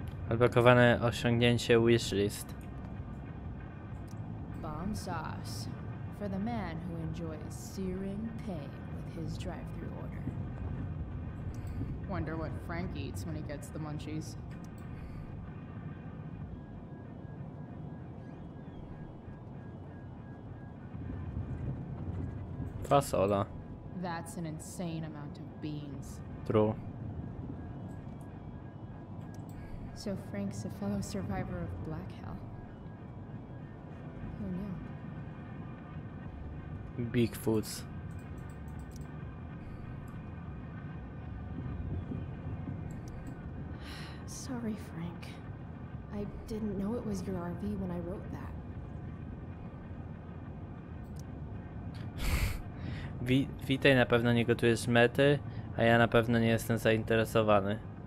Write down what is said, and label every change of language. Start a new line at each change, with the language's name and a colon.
Polish: Odblokowane osiągnięcie wishlist.
English: Bomb sauce for the man who enjoys searing pain with his drive-through order. Wonder what Frank eats when he gets the munchies.
Polish: Fasola.
English: That's an insane amount of beans. True. So Frank's a fellow survivor of Black Hell. Who knew? Bigfoots. Sorry, Frank. I didn't know it was your RV when I wrote that.
Polish: Witaj, na pewno nie gotujesz mety, a ja na pewno nie jestem zainteresowany.